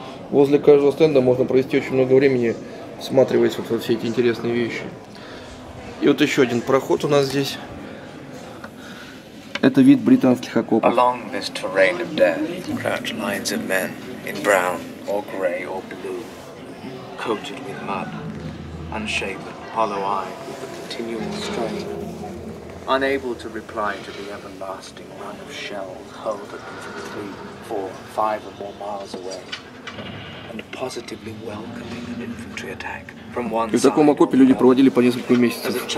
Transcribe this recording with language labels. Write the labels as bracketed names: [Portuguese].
[Russian] Возле каждого стенда можно провести очень много времени, всматриваясь вот во все эти интересные вещи. И вот еще один проход у нас здесь. Это вид британских окопов. [English] Along this terrain of death crouch lines of men in brown or grey or blue, coated with mud, unshaven, hollow-eyed with the continual strain, unable to reply to the everlasting run of shells hurled at them from 3, 4, 5 or more miles away. [Russian] И в таком окопе люди проводили по несколько месяцев.